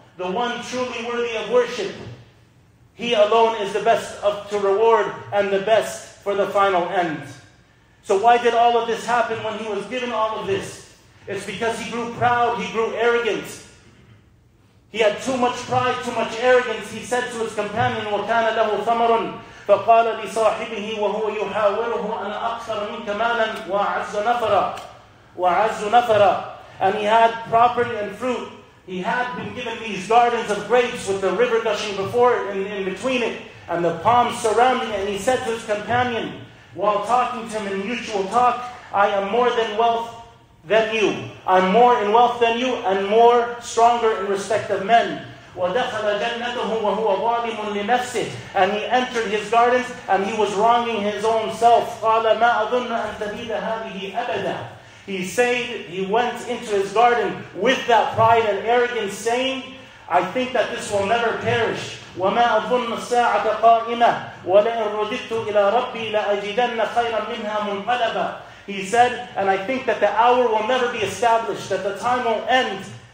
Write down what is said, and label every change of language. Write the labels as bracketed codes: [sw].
[en] The one truly worthy of worship. He alone is the best of, to reward and the best for the final end. So why did all of this happen when he was given all of this? It's because he grew proud, he grew arrogant. He had too much pride, too much arrogance. He said to his companion, [ar] وَكَانَ لَهُ ثَمَرٌ فَقَالَ لِصَاحِبِهِ وَهُوَ يُحَاوِرُهُ أَنَا أَكْثَرُ مِنْكَ مَالًا وَعَزُّ نَفَرًا وَعَزُّ نَفَرًا. [en] And he had property and fruit. He had been given these gardens of grapes with the river gushing before it and in between it and the palms surrounding it. And he said to his companion, while talking to him in mutual talk, I am more than wealth than you. I'm more in wealth than you and more stronger in respect of men. [ar] وَدَخَلَ جَنَّتَهُ وَهُوَ ظَالِمٌ لِنَفْسِهِ. [en] And he entered his gardens and he was wronging his own self. [ar] قَالَ مَا أَظُنَّ أَن تَبِيدَ هَذِهِ أَبَدًا. [en] He said, he went into his garden with that pride and arrogance, saying, I think that this will never perish. [ar] وَمَا أَظُنَّ السَّاعَةَ قَائِمَةً وَلَئِن رُدِدْتُ إِلَىٰ رَبِّي لَأَجِدَنَّ خَيْرًا مِّنْهَا مُنْقَلَبًا. [en] He said, and I think that the hour will never be established, that the time will end.